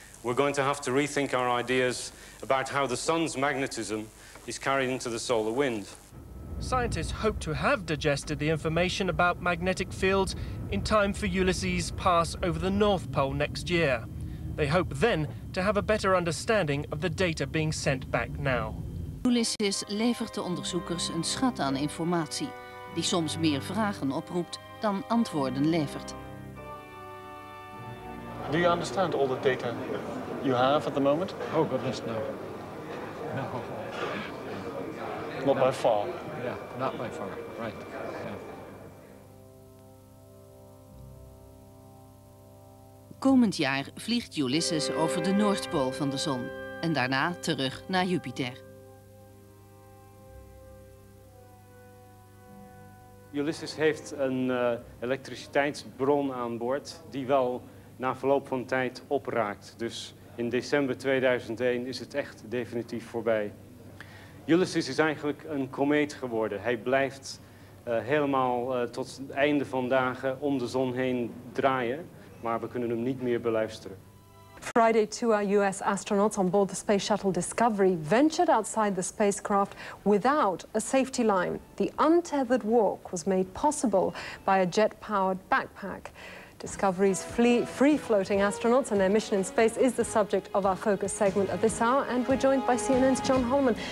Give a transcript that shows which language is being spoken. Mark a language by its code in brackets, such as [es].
[en] We're going to have to rethink our ideas about how the sun's magnetism is carried into the solar wind. Scientists hope to have digested the information about magnetic fields in time for Ulysses' pass over the North Pole next year. They hope then to have a better understanding of the data being sent back now. [nl] Ulysses levert de onderzoekers een schat aan informatie, die soms meer vragen oproept dan antwoorden levert. [en] Do you understand all the data you have at the moment? Oh, goodness, no. No. Not by far. Yeah, not by far, right. [nl] Komend jaar vliegt Ulysses over de Noordpool van de zon en daarna terug naar Jupiter. Ulysses heeft een elektriciteitsbron aan boord die wel na verloop van tijd opraakt. Dus in december 2001 is het echt definitief voorbij. Ulysses is eigenlijk een komeet geworden. Hij blijft helemaal tot het einde van dagen om de zon heen draaien. Maar we kunnen hem niet meer beluisteren. [en] Friday, two US astronauts on board the Space Shuttle Discovery ventured outside the spacecraft without a safety line. The untethered walk was made possible by a jet-powered backpack. Discovery's free-floating astronauts and their mission in space is the subject of our focus segment of this hour, and we're joined by CNN's John Holman.